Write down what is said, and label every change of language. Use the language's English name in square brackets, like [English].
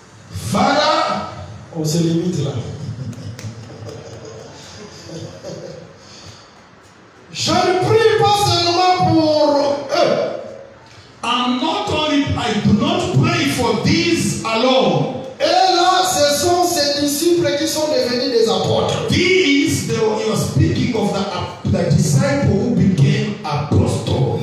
[English] Father, [French] on se limite là. Je ne prie pas seulement pour eux. [English] I'm not only, I do not pray for these alone. [French] Et là, ce sont ces disciples qui sont devenus des apôtres. [English] These, they were, you are speaking of the disciple who became apostle.